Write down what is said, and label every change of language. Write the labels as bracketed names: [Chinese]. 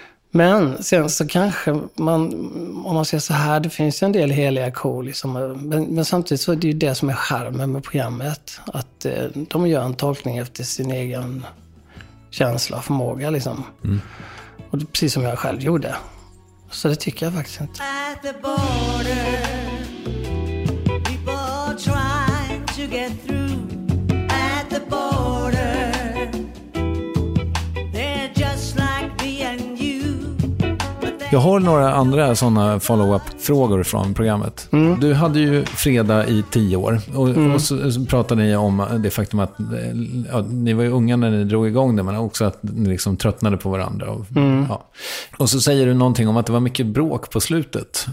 [Swedish] Men sen så kanske man, om man ser så här, det finns en del heliga kor liksom, men samtidigt så är det ju det som är charmen med programmet, att de gör en tolkning efter sin egen känsla och förmåga liksom. Mm. Och precis som jag själv gjorde. Så det tycker jag faktiskt inte. [English] At the border, people try to get through. At the border, they're just like me and you. [Swedish] Jag har några andra sådana follow-up-frågor från programmet. Mm. Du hade ju Fredag i 10 år. Och, mm. och så pratade ni om det faktum att ja, ni var ju unga när ni drog igång det, men också att ni liksom tröttnade på varandra. Och, mm. ja. Och så säger du någonting om att det var mycket bråk på slutet.